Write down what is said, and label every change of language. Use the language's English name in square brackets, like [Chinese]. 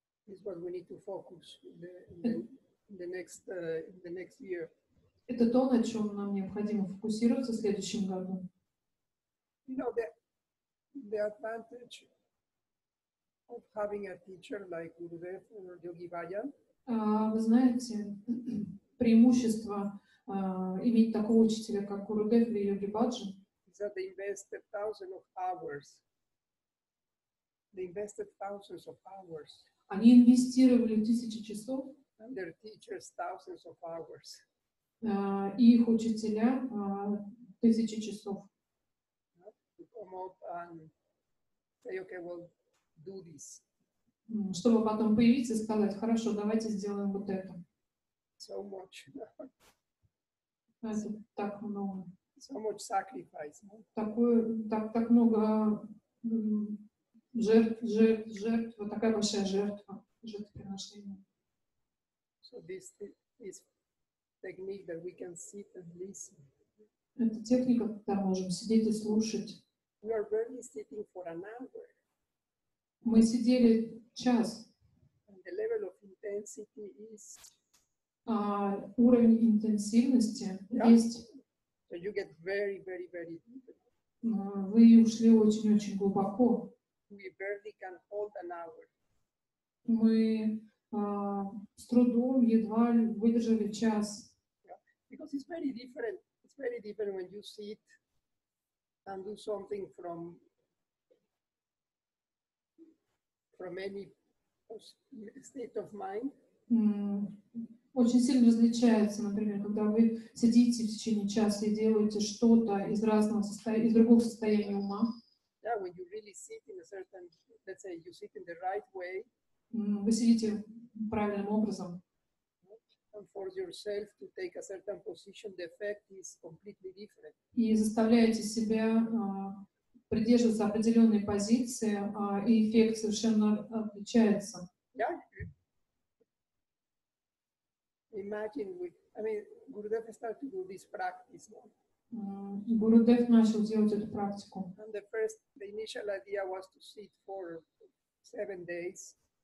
[English] Is what we need to focus the next the next year. [Russian] Это то, на чем нам необходимо фокусироваться в следующем году. [English] You know the advantage of having a teacher like Gurudev or Yogi Bhajan. [Russian] Вы знаете преимущество иметь такого учителя как Гурудев или Йоги Баджан? [English] Is that they invested thousands of hours. They invested thousands of hours. [Russian] Они инвестировали тысячи часов. [English] And their teachers thousands of hours. [Russian] Их учителя тысячи часов. [English] To come up and say, okay, well, do this. [Russian] Чтобы потом появиться и сказать, хорошо, давайте сделаем вот это. [English] So much. [Russian] Это так много. [English] So much sacrifice. No? [Russian] Так много жертв, вот такая большая жертва, жертвоприношение. [English] So this is technique that we can sit and listen. [Russian] Это техника, когда можем сидеть и слушать. [English] We are barely sitting for an hour. [Russian] Мы сидели час. [English] And the level of intensity is. [Russian] Уровень интенсивности есть. [English] So you get very, very, very deep. [Russian] Вы ушли очень-очень глубоко. [English] We barely can hold an hour. [Russian] Мы с трудом едва выдержали час. [English] Yeah, because it's very different. It's very different when you sit and do something from any state of mind. [Russian] очень сильно различается, например, когда вы сидите в течение часа и делаете что-то из разного состояния, из другого состояния ума. [English] Yeah, when you really sit in a certain, let's say, you sit in the right way. [Russian] Вы сидите правильным образом. [English] And force yourself to take a certain position, the effect is completely different. [Russian] И заставляете себя придерживаться определенной позиции, и эффект совершенно отличается. [English] Yeah. Imagine we, I mean, Gurudev started to do this practice. [Russian] Gurudev начал делать эту практику. [English] And the first, the initial idea was to sit for 7 days.